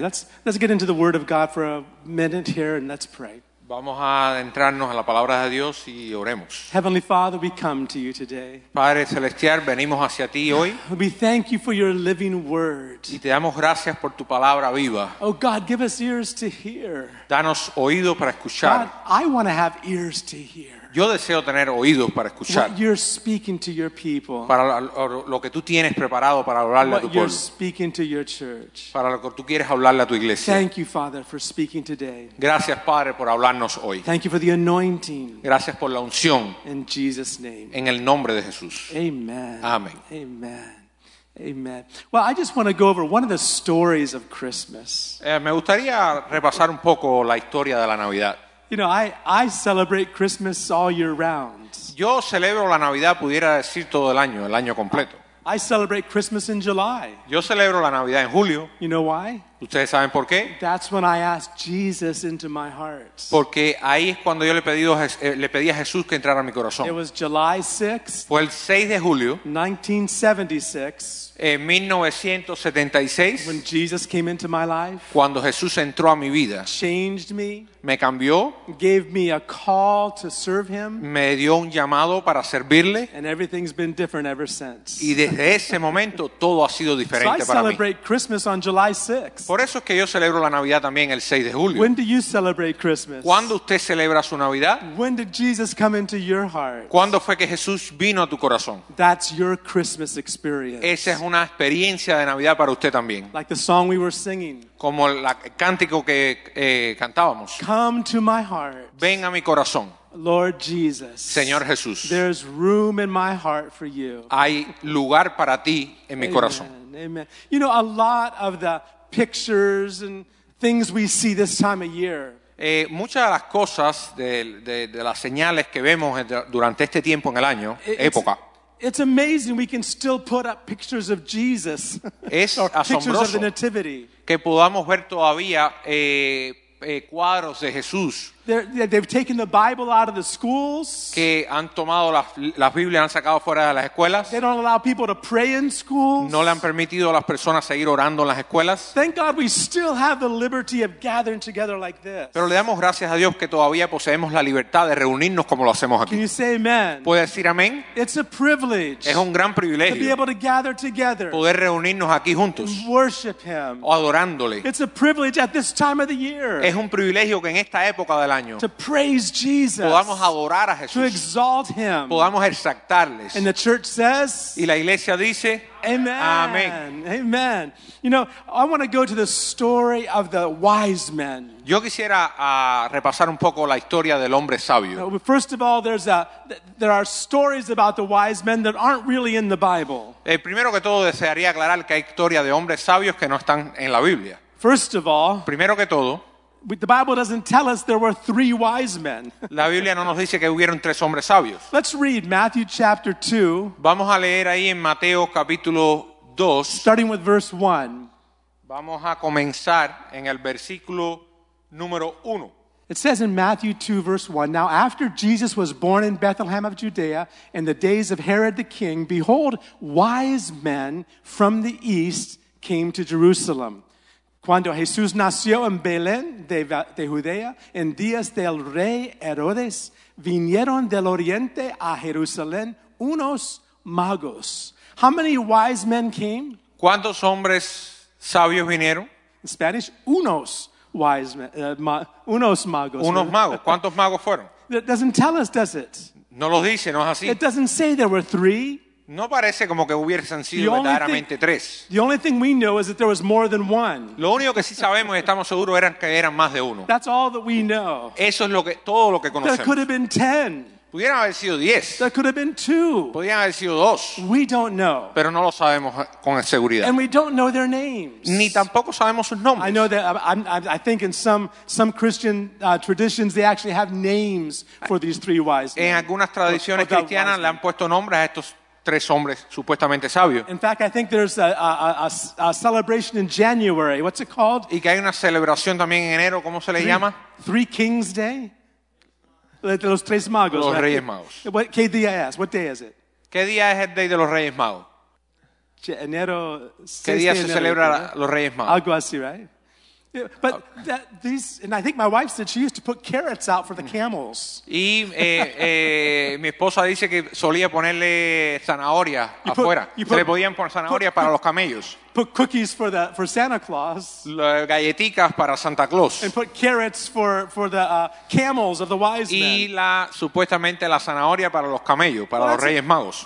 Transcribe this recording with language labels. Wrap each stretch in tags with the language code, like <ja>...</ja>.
<en>Let's get into the Word of God for a minute here and let's pray.</en> <es>Vamos a adentrarnos a la palabra de Dios y oremos.</es> <en>Heavenly Father, we come to you today.</en> <es>Padre celestial, venimos hacia ti hoy.</es> <en>We thank you for your living word.</en> <es>Y te damos gracias por tu palabra viva.</es> <en>Oh God, give us ears to hear.</en> <es>Danos oído para escuchar.</es> <en>God, I want to have ears to hear.</en> <es>Yo deseo tener oídos para escuchar.</es> <en>What you're speaking to your people.</en> <es>Para lo que tú tienes preparado para hablarle</es> <en>what</en> <es>a tu pueblo.</es> <en>You're speaking to your church.</en> <es>Para lo que tú quieres hablarle a tu iglesia.</es> <en>Thank you, Father, for speaking today.</en> <es>Gracias, Padre, por hablarnos hoy.</es> <en>Thank you for the anointing.</en> <es>Gracias por la unción.</es> <en>In Jesus' name.</en> <es>En el nombre de Jesús.</es> <en>Amen.</en> <es>Amén.</es> <en>Amen. Amen. Well, I just want to go over one of the stories of Christmas.</en> <es>Me gustaría repasar un poco la historia de la Navidad.</es> <en>You know, I celebrate Christmas all year round.</en> <es>Yo celebro la Navidad, pudiera decir, todo el año completo.</es> <en>I celebrate Christmas in July.</en> <es>Yo celebro la Navidad en julio.</es> <en>You know why?</en> <es>¿Ustedes saben por qué?</es> <en>That's when I ask Jesus into my heart.</en> <es>Porque ahí es cuando yo le pedí a Jesús que entrara a mi corazón.</es> <en>It was July 6th.</en> <es>Fue el 6 de julio.</es> <en>1976.</en> <es>En 1976.</es> <en>When Jesus came into my life.</en> <es>Cuando Jesús entró a mi vida.</es> <en>Changed me.</en> <es>Me cambió.</es> <en>Gave me a call to serve him.</en> <es>Me dio un llamado para servirle.</es> <en>And everything's been different ever since.</en> <es>Y desde ese momento todo ha sido diferente para mí.</es> <en>So I celebrate Christmas on July 6th.</en> <es>Por eso es que yo celebro la Navidad también el 6 de julio.</es> <en>When do you celebrate Christmas?</en> <es>¿Cuándo usted celebra su Navidad?</es> <en>When did Jesus come into your heart?</en> <es>¿Cuándo fue que Jesús vino a tu corazón?</es> <en>That's your Christmas experience.</en> <es>Esa es una experiencia de Navidad para usted también.</es> <en>Like the song we were singing.</en> <es>Como el cántico que cantábamos.</es> <en>Come to my heart.</en> <es>Ven a mi corazón.</es> <en>Lord Jesus,</en> <es>Señor Jesús.</es> <en>There's room in my heart for you.</en> <es>Hay lugar para ti en mi corazón.</es> <en>Amen. You know, a lot of the pictures and things we see this time of year.</en> <es>Muchas de las cosas de las señales que vemos durante este tiempo en el año, época.</es> <en>It's amazing we can still put up pictures of Jesus.</en> <es>Es</es> <en>pictures of the nativity.</en> <es>Que podamos ver todavía cuadros de Jesús.</es> <en>They've taken the Bible out of the schools.</en> <es>Que han tomado las Biblias, han sacado fuera de las escuelas.</es> <en>They don't allow people to pray in schools.</en> <es>No le han permitido a las personas seguir orando en las escuelas.</es> <en>Thank God we still have the liberty of gathering together like this.</en> <es>Pero le damos gracias a Dios que todavía poseemos la libertad de reunirnos como lo hacemos aquí.</es> <en>Can you say amen?</en> <es>¿Puede decir amén?</es> <en>It's a privilege.</en> <es>Es un gran privilegio.</es> <en>To be able to gather together.</en> <es>Poder reunirnos aquí juntos.</es> <en>Worship him.</en> <es>O adorándole.</es> <en>It's a privilege at this time of the year.</en> <es>Es un privilegio que en esta época de</es> <en>to praise Jesus,</en> <es>podamos adorar a Jesús,</es> <en>to exalt him,</en> <es>podamos exaltarles.</es> <en>And the church says,</en> <es>y la iglesia dice,</es> <en>amen.</en> <es>Amen.</es> <en>Amen. You know, I want to go to the story of the wise men.</en> <es>Yo quisiera repasar un poco la historia del hombre sabio.</es> <en>First of all, there are stories about the wise men that aren't really in the Bible.</en> <es>Primero que todo, desearía aclarar que hay historia de hombres sabios que no están en la Biblia.</es> <en>First of all,</en> <es>primero que todo,</es> <en>but the Bible doesn't tell us there were three wise men.</en> <es>La Biblia no nos dice que hubieron tres hombres sabios.</es> <en>Let's read Matthew chapter 2.</en> <es>Vamos a leer ahí en Mateo capítulo 2.</es> <en>Starting with verse 1.</en> <es>Vamos a comenzar en el versículo número 1.</es> <en>It says in Matthew 2 verse 1, now after Jesus was born in Bethlehem of Judea in the days of Herod the king, behold, wise men from the east came to Jerusalem.</en> <es>Cuando Jesús nació en Belén de Judea, en días del rey Herodes, vinieron del oriente a Jerusalén unos magos.</es> <en>How many wise men came?</en> <es>¿Cuántos hombres sabios vinieron?</es> <en>In Spanish, unos wise men,</en> <es>unos magos. Unos magos. ¿Cuántos magos fueron?</es> <en>It doesn't tell us, does it?</en> <es>No lo dice, no es así.</es> <en>It doesn't say there were three.</en> <es>No parece como que hubiesen sido verdaderamente tres.</es> <en>The only thing we know is that there was more than one.</en> <es>Lo único que sí sabemos y estamos seguros era que eran más de uno.</es> <en>That's all that we know.</en> <es>Eso es todo lo que conocemos.</es> <en>There could have been 10.</en> <es>Pudieran haber sido 10.</es> <en>There could have been 2.</en> <es>Pudieran haber sido 2.</es> <en>We don't know.</en> <es>Pero no lo sabemos con seguridad.</es> <en>And we don't know their names.</en> <es>Ni tampoco sabemos sus nombres.</es> <en>I know that I think in some Christian traditions they actually have names for these three wise men.</en> <es>En algunas tradiciones cristianas le han puesto nombres a estos tres hombres supuestamente sabios.</es> <en>In fact, I think there's a celebration in January. What's it called?</en> <es>Y que hay una celebración también en enero. ¿Cómo se le llama?</es> <en>Three Kings Day.</en> <es>De los tres magos. Los Reyes Magos.</es> <en>What day is it?</en> <es>¿Qué día es el Day de los Reyes Magos? enero 6 ¿Qué día se celebra los Reyes Magos? Algo así, right?</es> <en>Yeah, but that, these, and I think my wife said she used to put carrots out for the camels.</en> <es>Y mi esposa dice que solía ponerle zanahoria afuera. Le podían poner zanahoria para los camellos.</es> <en>Put cookies for Santa Claus.</en> <es>Galleticas para Santa Claus.</es> <en>And put carrots for the camels of the wise men.</en> <es>Y la supuestamente la zanahoria para los camellos, para los Reyes Magos.</es>